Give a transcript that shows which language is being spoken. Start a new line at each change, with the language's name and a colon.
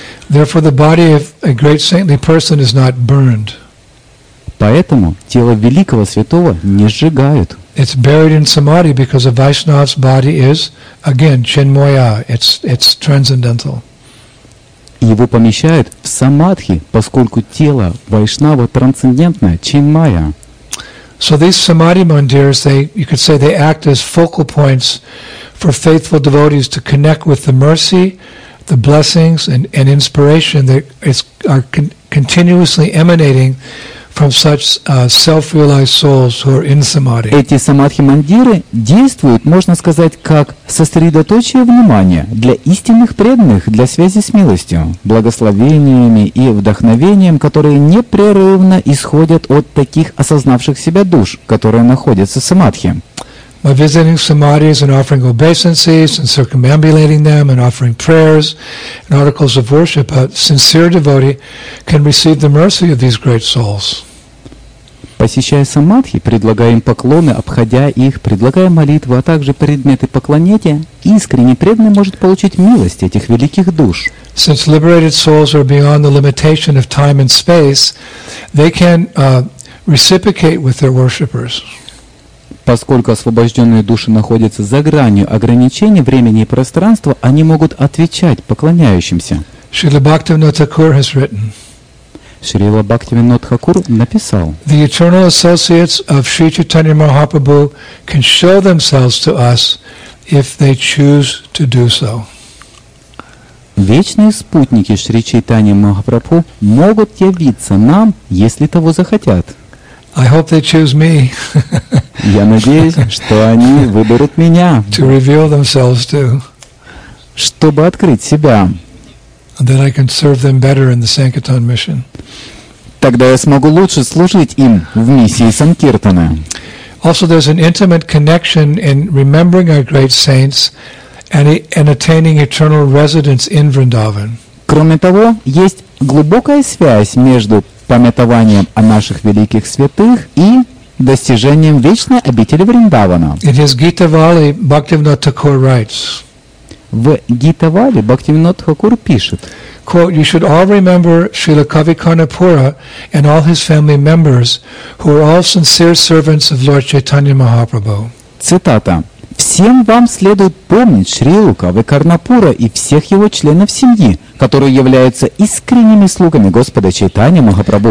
English: Therefore, the body of a great saintly person is not burned.
Russian: Поэтому тело великого святого не сжигают.
English: It's buried in samadhi because a Vaishnava's body is, again, chinmaya. It's transcendental.
Russian: Его помещают в самадхи, поскольку тело Вайшнава трансцендентное, чинмая.
English: So these samadhi mandirs, they, you could say, they act as focal points for faithful devotees to connect with the mercy, the blessings, and inspiration that is are continuously emanating from such self-realized souls who are in samadhi.
Russian: Эти самадхи мандиры действуют, можно сказать, как сосредоточие внимания для истинных преданных, для связи с милостью, благословениями и вдохновением, которые непрерывно исходят от таких осознавших себя душ, которые находятся в самадхи.
English: By visiting samadhis and offering obeisances and circumambulating them and offering prayers and articles of worship, a sincere devotee can receive the mercy of these great souls.
Russian: Посещая самадхи, предлагая им поклоны, обходя их, предлагая молитвы, а также предметы поклонения, искренне преданный может получить милость этих великих душ.
English: Since liberated souls are beyond the limitation of time and space, they can reciprocate with their worshippers.
Russian: Поскольку освобожденные души находятся за гранью ограничений времени и пространства, они могут отвечать поклоняющимся.
English: Шрила Бхактивинода Тхакур has written.
Russian: Шрила Бхактивинода Тхакур написал.
English: The eternal associates of Sri Chaitanya Mahaprabhu can show themselves to us if they choose to do so.
Russian: Вечные спутники Шри Чайтаньи Махапрабху могут явиться нам, если того захотят.
English: I hope they choose me.
Russian: Я надеюсь, что они выберут меня.
English: To reveal themselves to.
Russian: Чтобы открыть себя.
English: And then I can serve them better in the Sankirtan mission.
Russian: Тогда я смогу лучше служить им в миссии Санкиртана.
English: Also, there's an intimate connection in remembering our great saints and attaining eternal residence in Vrindavan.
Russian: Кроме того, есть глубокая связь между памятованием о наших великих святых и достижением вечной обители Вриндавана.
English: It is Gita Vali, Bhaktivinoda Thakur writes.
Russian: В Гита Вали Бхактивинода Тхакур пишет.
English: Quote, you should all remember Srila Kavi Karnapura and all his family members, who are all sincere servants of Lord Chaitanya Mahaprabhu.
Russian: Цитата. Всем вам следует помнить Шрилу Кави Карнапура и всех его членов семьи, которые являются искренними слугами Господа Чайтанья Махапрабху.